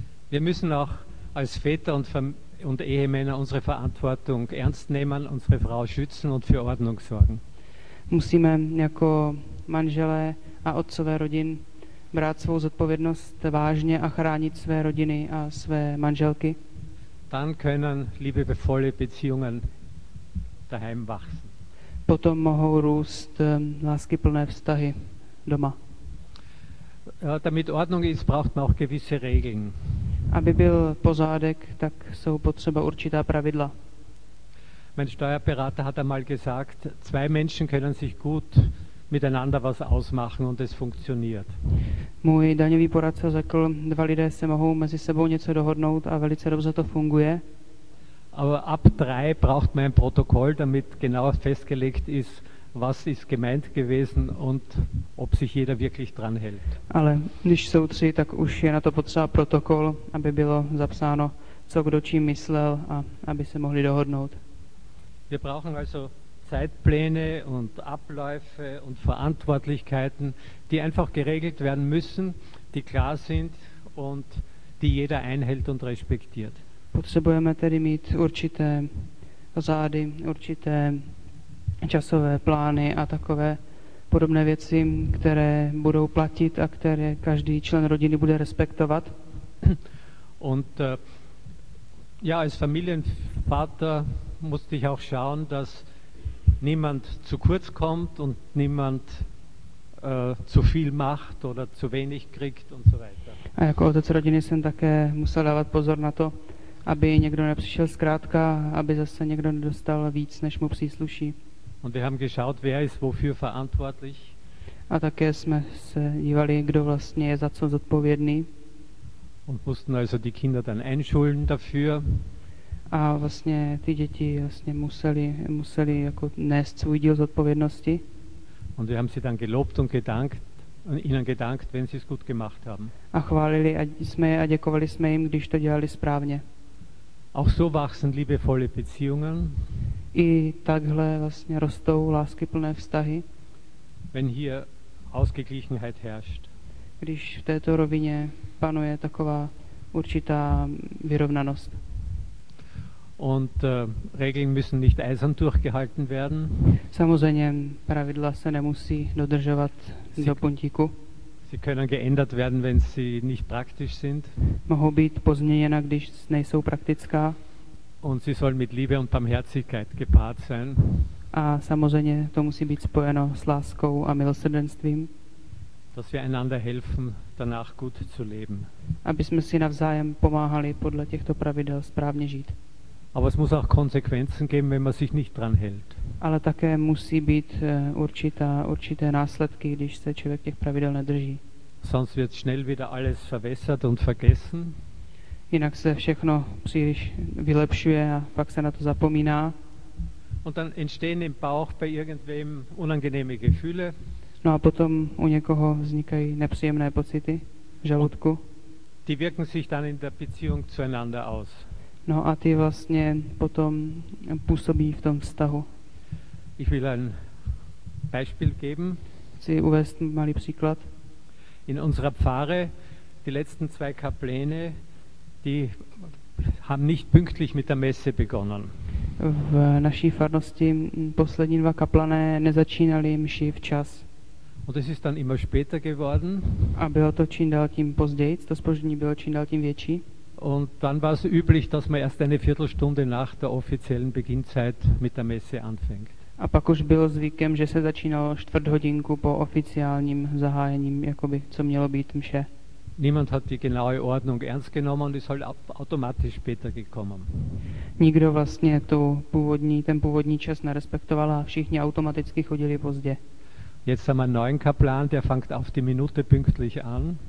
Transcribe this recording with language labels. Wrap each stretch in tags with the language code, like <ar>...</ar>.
<de>Wir müssen auch als Väter und Ehemänner unsere Verantwortung ernst nehmen, unsere Frau schützen und für Ordnung sorgen.</de> <cs>Musíme jako manželé a otcové rodin brát svou zodpovědnost vážně a chránit své rodiny a své manželky.</cs> <de>Dann können liebevolle Beziehungen daheim wachsen.</de> <cs>Potom mohou růst láskyplné vztahy doma.</cs> <de>Damit Ordnung ist, braucht man auch gewisse Regeln.</de> <cs>Aby byl pořádek, tak jsou potřeba určitá pravidla.</cs> <de>Mein Steuerberater hat einmal gesagt, zwei Menschen können sich gut miteinander was ausmachen und es funktioniert.</de> <cs>Můj daňový poradce řekl, dva lidé se mohou mezi sebou něco dohodnout a velice dobře to funguje.</cs> <de>Aber ab 3 braucht man ein Protokoll, damit genau festgelegt ist, was ist gemeint gewesen und ob sich jeder wirklich dran hält.</de> <cs>Ale když jsou 3, tak už je na to potřeba protokol, aby bylo zapsáno, co kdo čím myslel a aby se mohli dohodnout.</cs> <de>Wir brauchen also Zeitpläne und Abläufe und Verantwortlichkeiten, die einfach geregelt werden müssen, die klar sind und die jeder einhält und respektiert.</de> <cs>Potřebujeme tedy mít určité řády, určité časové plány a takové podobné věci, které budou platit a které každý člen rodiny bude respektovat.</cs> <de>Und ja, als Familienvater musste ich auch schauen, dass niemand zu kurz kommt und niemand zu viel macht oder zu wenig kriegt und so weiter.</de> <cs>A jako otec rodiny jsem také musel dávat pozor na to, aby někdo nepřišel zkrátka, aby zase někdo nedostal víc, než mu přísluší.</cs> <de>Und wir haben geschaut, wer ist wofür verantwortlich.</de> <cs>A také jsme se dívali, kdo vlastně je za co zodpovědný.</cs> <de>Und mussten also die Kinder dann einschulen dafür.</de> <cs>A vlastně ty děti vlastně museli jako nést svůj díl zodpovědnosti.</cs> <de>Und wir haben sie dann gelobt und gedankt, ihnen gedankt, wenn sie es gut gemacht haben.</de> <cs>A chválili jsme je a děkovali jsme jim, když to dělali správně.</cs> <de>Auch so wachsen liebevolle Beziehungen.</de> <cs>I takhle vlastně rostou láskyplné vztahy.</cs> <de>Wenn hier Ausgeglichenheit herrscht.</de> <cs>když v této rovině panuje taková určitá vyrovnanost.</cs> <de>Und Regeln müssen nicht eisern durchgehalten werden.</de> <cs>Samozřejmě pravidla se nemusí dodržovat do puntíku.</cs> <de>Sie können geändert werden, wenn sie nicht praktisch sind.</de> <cs>Mohou být pozměněna, když nejsou praktická.</cs> <de>Und sie sollen mit Liebe und Barmherzigkeit gepaart sein.</de> <cs>A samozřejmě to musí být spojeno s láskou a milosrdenstvím.</cs> <de>Dass wir einander helfen, danach gut zu leben.</de> <cs>Aby jsme si navzájem pomáhali podle těchto pravidel správně žít.</cs> <de>Aber es muss auch Konsequenzen geben, wenn man sich nicht dran hält.</de> <cs>Ale také musí být určité následky, když se člověk těch pravidel nedrží.</cs> <de>Sonst wird schnell wieder alles verwässert und vergessen.</de> <cs>Jinak se všechno příliš vylepšuje a pak se na to zapomíná.</cs> <de>Und dann entstehen im Bauch bei irgendwem unangenehme Gefühle.</de> <cs>No a potom u někoho vznikají nepříjemné pocity v žaludku.</cs> <de>Die wirken sich dann in der Beziehung zueinander aus.</de> <cs>No a ty vlastně potom působí v tom vztahu.</cs> <de>Ich will ein Beispiel geben.</de> <cs>Chci uvést malý příklad.</cs> <de>In unserer Pfarre, die letzten zwei Kapläne, die haben nicht pünktlich mit der Messe begonnen.</de> <cs>V naší farnosti poslední dva kaplané nezačínali mši včas.</cs> <de>Und es ist dann immer später geworden.</de> <cs>A bylo to čím dál tím později, to zpoždění bylo čím dál tím větší.</cs> <de>Und dann war es üblich, dass man erst eine Viertelstunde nach der offiziellen Beginnzeit mit der Messe anfängt.</de> <cs>A pak už bylo zvykem, že se začínalo čtvrt hodinku po oficiálním zahájením, jakoby, co mělo být mše.</cs> <de>Niemand hat die genaue Ordnung ernst genommen und ist halt automatisch später gekommen.</de> <cs>Nikdo vlastně ten původní čas nerespektoval a všichni automaticky chodili pozdě.</cs> <de>Jetzt haben wir einen neuen Kaplan, der fängt auf die Minute pünktlich an.</de>